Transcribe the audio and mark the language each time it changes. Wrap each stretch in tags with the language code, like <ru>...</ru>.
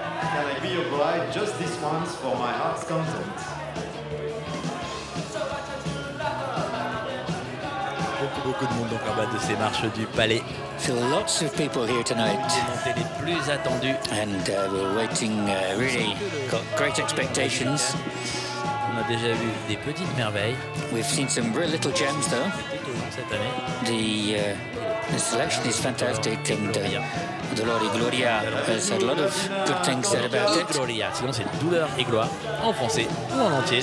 <en>Can I be your bride just this once for my heart's content?</en> <fr>Beaucoup de monde donc en bas de ces marches du palais.</fr> <en>So lots of people here tonight.</en> <fr>Les plus attendus.</fr> <en>And we're waiting, really got great expectations.</en> <fr>On a déjà vu des petites merveilles.</fr> <en>We've seen some real little gems though. The selection is fantastic and Dolore et Gloria has had a lot of good things said about it.</en> <fr>Gloria, sinon c'est douleur et gloire en français ou en entier.</fr>